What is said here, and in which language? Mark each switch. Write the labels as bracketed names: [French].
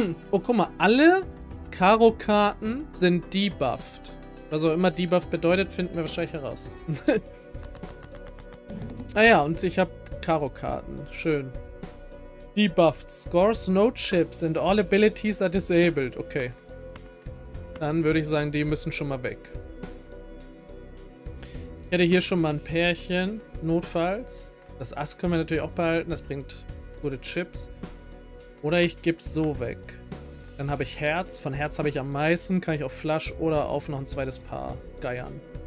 [German] Oh, guck mal, alle Karo-Karten sind debufft. Was auch immer debuff bedeutet, finden wir wahrscheinlich heraus. Ah ja, und ich habe Karo-Karten. Schön. Debuffed. [English] Scores no chips and all abilities are disabled. Okay. [German] Dann würde ich sagen, die müssen schon mal weg. Ich hätte hier schon mal ein Pärchen, notfalls. Das Ass können wir natürlich auch behalten, das bringt gute Chips. Oder ich gebe es so weg. Dann habe ich Herz, von Herz habe ich am meisten, kann ich auf Flush oder auf noch ein zweites Paar geiern.